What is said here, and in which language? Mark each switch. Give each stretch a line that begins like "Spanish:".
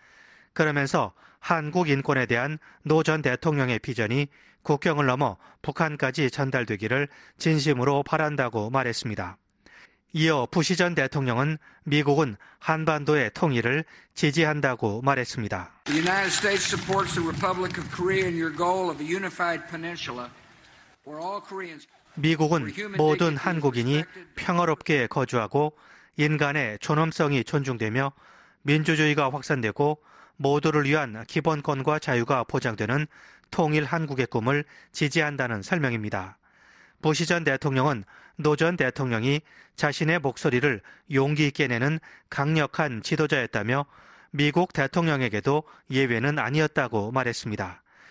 Korean: 그러면서 한국 인권에 대한 노 전 대통령의 비전이 국경을 넘어 북한까지 전달되기를 진심으로 바란다고 말했습니다. 이어 부시 전 대통령은 미국은 한반도의 통일을 지지한다고 말했습니다.
English: The United States supports the Republic of Korea in your goal of a unified peninsula where all Koreans
Korean: 미국은 모든 한국인이 평화롭게 거주하고 인간의 존엄성이 존중되며 민주주의가 확산되고 모두를 위한 기본권과 자유가 보장되는 통일 한국의 꿈을 지지한다는 설명입니다. 부시 전 대통령은 노 전 대통령이 자신의 목소리를 용기 있게 내는 강력한 지도자였다며 미국 대통령에게도 예외는 아니었다고 말했습니다.